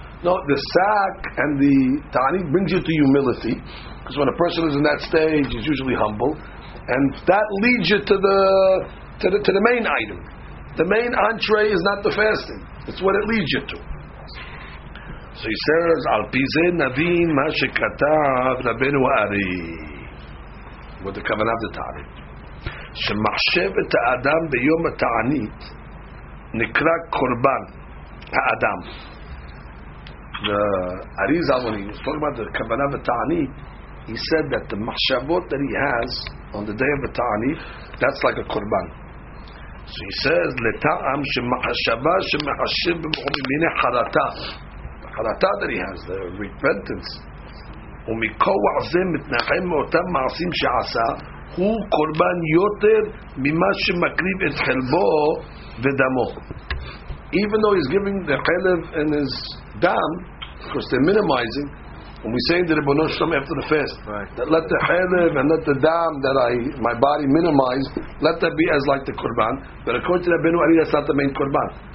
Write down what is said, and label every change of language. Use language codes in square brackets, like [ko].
[en] No, the sack and the ta'anit brings you to humility, because when a person is in that stage, he's usually humble, and that leads you to the main item. The main entree is not the fasting; it's what it leads you to. So he says, [he] "Al pizeh navin ma shekatav Rabbeinu Ari." [en] What the Kavanah of the Taanit? [he] שמחשבת האדם ביום התענית נקרא קורבן האדם. [en] אריזה, when he was talking about the כוונה בתענית, he said that the מחשבות that he has on the day of the תענית, that's like a קורבן. So he says [he] לטעם שמחשבה שמחשב במיני חרטה, חרטה that he has, the repentance, ומכוח זה מתנחם מאותם מעשים שעשה, הוא קורבן יותר ממה שמקריב את חלבו ודמו. [en] Even though he's giving the chalev and his dam, because they're minimizing, and we say in the Ribbono Shlom after the fast, right, that let the chalev and let the dam that I, my body minimized, let that be as like the korban. But according to Rabbeinu Ari, that's not the main korban.